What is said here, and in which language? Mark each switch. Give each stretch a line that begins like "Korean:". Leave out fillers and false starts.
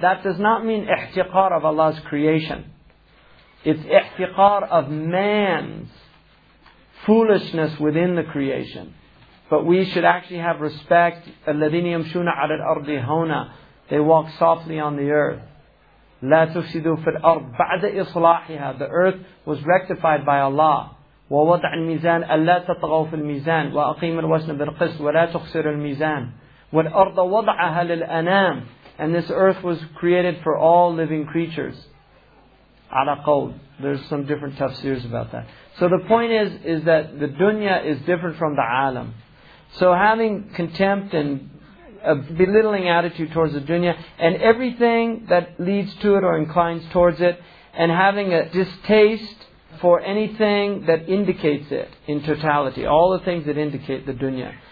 English: That does not mean ihtiqar of Allah's creation. It's ihtiqar of man's foolishness within the creation. But we should actually have respect.
Arabic: الَّذِينِ يَمْشُونَ عَلَى الْأَرْضِ هَوْنَا,
English: they walk softly on the earth.
Arabic: لَا تُفْسِدُوا فِي الْأَرْضِ بَعْدَ إِصْلَاحِهَا,
English: the earth was rectified by Allah.
Arabic: وَوَضَعَ الْمِيزَانَ أَلَّا تَطْغَوْا فِي الْمِيزَانِ وَأَقِيمَ الْوَزْنَ بِالْقِسْطِ وَلَا تُخْسِرُوا الْمِيزَانَ وَالْأَرْضَ وَضَعَهَا لِلْأَنَامِ,
English: and this earth was created for all living creatures.
Arabic: عَلَى قَوْلٍ,
English: there's some different tafsirs about that. So the point is that the dunya is different from the alam. So having contempt and a belittling attitude towards the dunya and everything that leads to it or inclines towards it, and having a distaste for anything that indicates it in totality, all the things that indicate the dunya.